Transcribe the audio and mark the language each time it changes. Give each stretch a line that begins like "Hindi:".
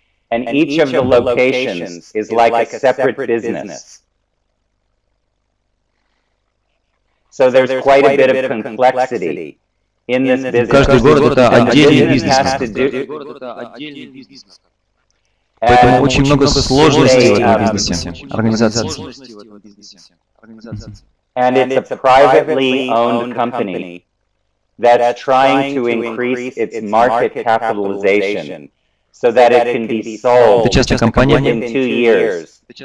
English: And each of the locations is like a separate business. So there's quite a bit of complexity in this business.
Russian: Каждый город — это отдельный бизнес. Поэтому очень много сложностей в этом бизнесе, организации.
English: And it's a privately owned company that's trying to increase its market capitalization so that it can be sold in 2 years.